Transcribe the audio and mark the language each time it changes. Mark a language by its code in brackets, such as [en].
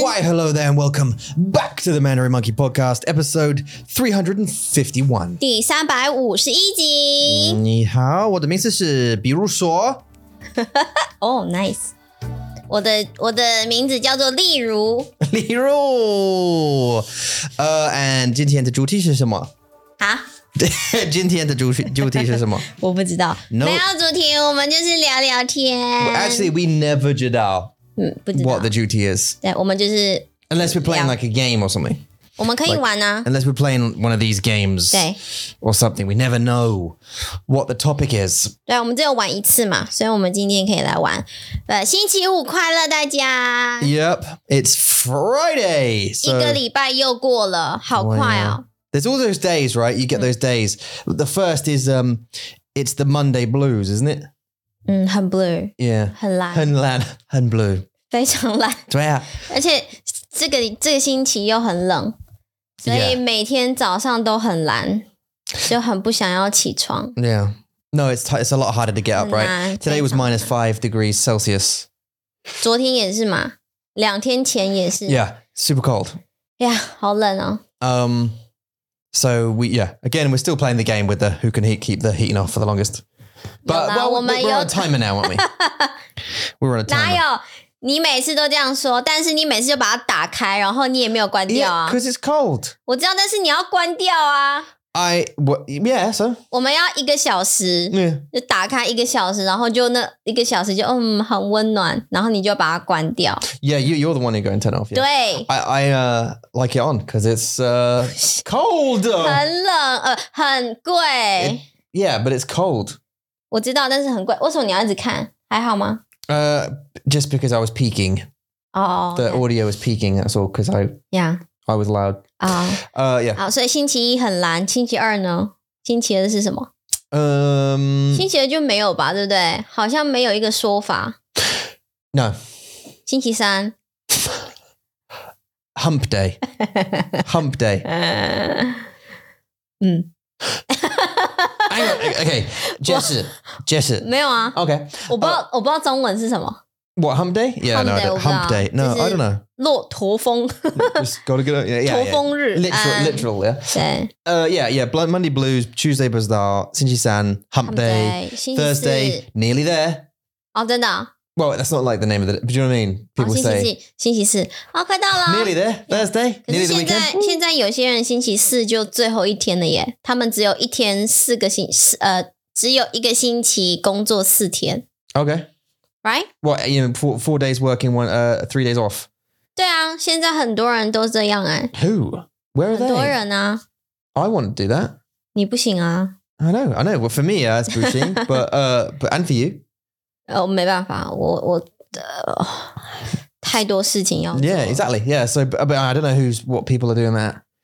[en] Why, hello there, and welcome back to the Mandarin Monkey podcast, episode 351. [zh] 第351集。你好，我的名字是比如说。 [en] Oh, nice. [zh] 我的名字叫做例如。例如。And 今天的主题是什么啊今天的主题是什么我不知道。 No, 没有主题我们就是聊聊天。 [en] Well, actually, we never [zh] 知道。不知道。 [en] What the duty is. [zh] 对我们就是。 [en] Unless we're playing like a game or something. [zh] 我们可以玩啊。 [en] Unless we're playing one of these games. [zh] 对。 [en] Or something. We never know what the topic is. [zh] 对我们只有玩一次嘛所以我们今天可以来玩。星期五快乐大家。 [en] Yep, it's Friday.、 [zh] So、一个礼拜又过了好快哦。 [en] Oh yeah. There's all those days, right? You get those days. The first is, it's the Monday blues, isn't it? [zh] 很 blue. [en] Yeah. [zh] 很蓝。很蓝。很 blue. 非常蓝。对啊。而且这个星期又很冷。所以每天早上都很蓝。就很不想要起床。 [en] Yeah. No, it's a lot harder to get up, right? Today was minus 5 degrees Celsius. [zh] 昨天也是嘛。两天前也是。 [en] Yeah, super cold. [zh] Yeah, 好冷哦。 [en] So, we, yeah, again, we're still playing the game with the who can keep the heating off for the longest. But, well, we're on a timer now, aren't we? We're on a timer. [zh] 哪有你每次都这样说但是你每次就把它打开然后你也没有关掉啊。 [en] Because it's cold. [zh] 我知道但是你要关掉啊。 [en] Yeah, so. [zh] 我们要一个小时。 [en] Yeah. [zh] 就打开一个小时然后就那一个小时就很温暖然后你就把它关掉。 [en] Yeah, you're the one who's going to turn off. Yeah. [zh] 对。 [en] I like it on, because it's cold. [zh] 很冷很贵。 [en] Yeah, but it's cold. [zh] 我知道但是很贵。为什么你要一直看还好吗 [en] Just because I was peeking. Oh. The audio was peeking, that's all, because I was loud. Yeah. [zh] 好所以星期一很蓝星期二呢星期二是什么星期二就没有吧对不对好像没有一个说法。 [en] No. [zh] 星期三。 [en] Hump day. Hump day. 嗯。 Okay, Jess. Jess. [zh] 没有啊。 [en] Okay. [zh] 我不知道中文是什么。 [en] What, hump day? Yeah, hump no, day, I don't. Hump day. No, I don't know. [zh] 落驼峰 [en] Just gotta get up. Yeah. [zh] 驼峰日 [en] Literal, yeah. [zh] 对 [en] Yeah, Monday blues, Tuesday bazaar, [zh] 星期三 [en] hump day, Thursday, nearly there. [zh] Oh, 真的 [en] Well, that's not like the name of the day, but do you know what I mean? People say. [zh] 星期四 [en] Oh, [zh] 快到了 [en] Nearly there, Thursday, nearly the weekend. [zh] 现在有些人星期四就最后一天了耶他们只有一天四个星期只有一个星期工作四天 [en] Okay. Right? What, you know, four days working, three days off? [zh] 对啊现在很多人都这样哎。 [en] Who? Where are they? [zh] 很多人啊。 [en] I want to do that. [zh] 你不行啊。 [en] I know. Well, for me, yeah, it's pushing, but and for you? [zh] Oh, 没办法我太多事情要做。 [en] Yeah, exactly. Yeah, so, but I don't know what people are doing that.